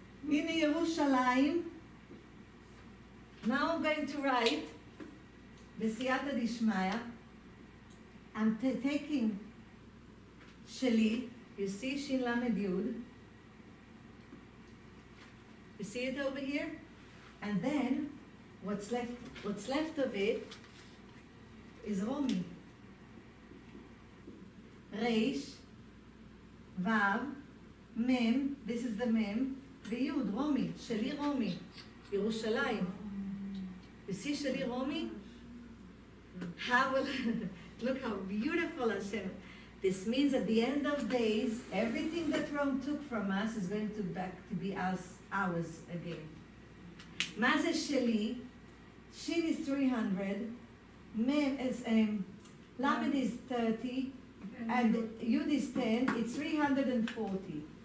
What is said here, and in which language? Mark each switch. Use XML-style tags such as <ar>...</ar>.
<en>In Yerushalayim, now I'm going to write</en> <arc>בסייעתא דשמיא,</arc> <en>I'm taking שלי, you see שין למד יוד, you see it over here? And then, what's left of it is רומי.</en> <he>ריש, וו, מם,</he> <en>this is the</en> <he>מם, ויוד, רומי, שלי רומי, ירושלים. בשיא שלי רומי,</he> <en>look how beautiful Hashem. This means at the end of days, everything that Rome took from us is going to back to be us, ours again.</en> <he>מה זה שלי?</he> <en>שין is 300, מם is, למד is 30, and יוד is 10, it's 340.</en>